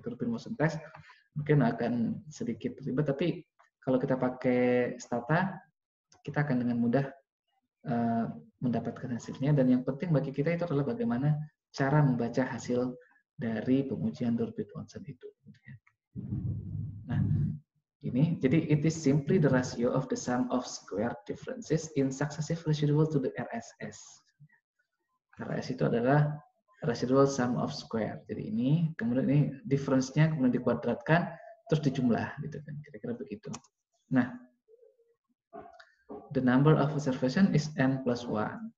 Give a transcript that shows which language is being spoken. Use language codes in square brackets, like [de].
[id] Durbin-Watson test mungkin akan sedikit ribet, tapi kalau kita pakai stata kita akan dengan mudah mendapatkan hasilnya, dan yang penting bagi kita itu adalah bagaimana cara membaca hasil dari pengujian Durbin-Watson itu. Nah, ini jadi [en] it is simply the ratio of the sum of squared differences in successive residual to the RSS. [id] RSS itu adalah residual sum of square. Jadi ini kemudian ini difference-nya kemudian dikuadratkan terus dijumlah gitu kan. Kira-kira begitu. [en] Nah, the number of observation is n plus 1.